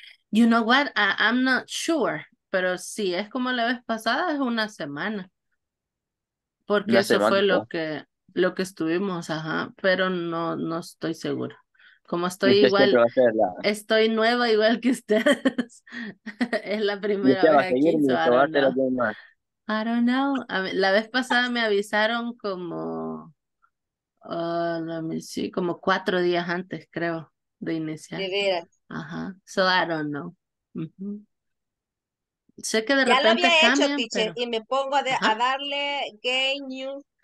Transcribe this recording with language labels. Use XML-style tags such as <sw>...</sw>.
<en>You know what? I'm not sure.</en> <es>Pero sí, es como la vez pasada, es una semana. Porque eso fue lo que estuvimos, ajá, pero no estoy segura. Como estoy igual, estoy nueva igual que ustedes. Es la primera vez aquí,</es> <en>so I don't know.</en> <es>I don't know. La vez pasada me avisaron como, como 4 días antes, creo, de iniciar. De veras. Ajá,</es> <en>so I don't know.</en> <es>Mm-hmm. Sé que de repente cambian. Ya lo había cambian, hecho, teacher, pero... y me pongo a darle game new.</es>